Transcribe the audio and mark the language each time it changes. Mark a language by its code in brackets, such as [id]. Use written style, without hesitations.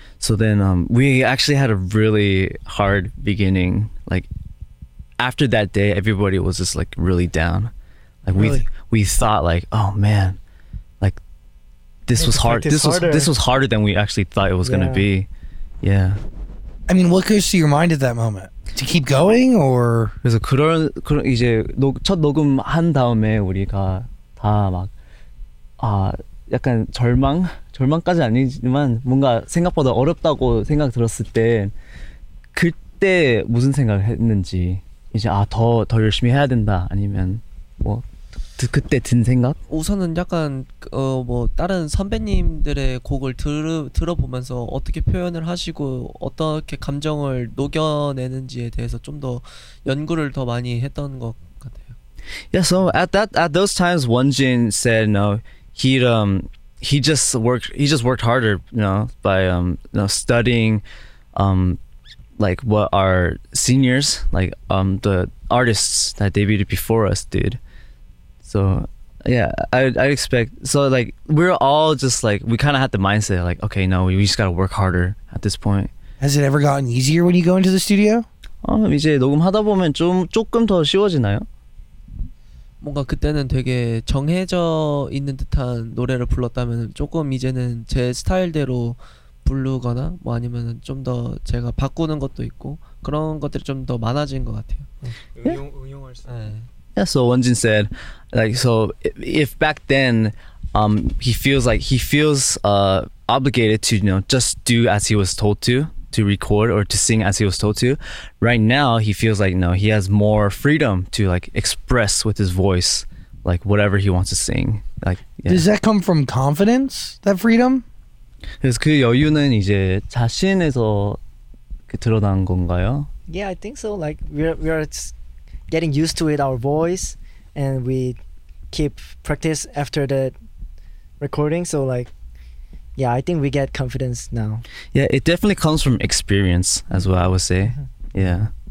[en] So then we actually had a really hard beginning, like after that day, everybody was just like really down. Like really? We thought like, oh man, like this was hard. This was harder than we actually thought it was gonna be. Yeah. I mean, what goes through your mind at that moment? To keep going or? [ko] 그래서 그런 이제 첫 녹음 한 다음에 우리가 다 막 약간 절망까지 아니지만 뭔가 생각보다 어렵다고 생각 들었을 때 그때 무슨 생각을 했는지. 이제 아 더 열심히 해야 된다 아니면 뭐 그때 든 생각? 우선은 약간 뭐 다른 선배님들의 곡을 들어보면서 어떻게 표현을 하시고 어떻게 감정을 녹여내는지에 대해서 좀 더 연구를 더 많이 했던 것 같아요. [en] Yeah, so at those times, Wonjin said, you know, he just worked harder, you know, by studying, like what our seniors, like the artists that debuted before us did. So yeah, I'd expect, so like we're all just like, we kind of had the mindset like, okay, no, we just gotta work harder at this point. Has it ever gotten easier when you go into the studio? [ko] 이제 녹음하다 보면 좀 조금 더 쉬워지나요? 뭔가 그때는 되게 정해져 있는 듯한 노래를 불렀다면 조금 이제는 제 스타일대로 부르거나 뭐 아니면은 좀 더 제가 바꾸는 것도 있고 그런 것들이 좀 더 많아진 것 같아요. 응용할 수. [en] Yeah, so Wonjin said, like, so if back then he feels obligated to, you know, just do as he was told to record or to sing as he was told to, right now he feels like, you know, he has more freedom to like express with his voice like whatever he wants to sing. Like, yeah. Does that come from confidence, that freedom? [ko] 그 여유는 이제 자신에서 드러난 건가요? [en] Yeah, I think so. Like, we are getting used to it, our voice, and we keep practice after the recording. So, like, yeah, I think we get confidence now. Yeah, it definitely comes from experience as well, I would say. Mm-hmm. Yeah.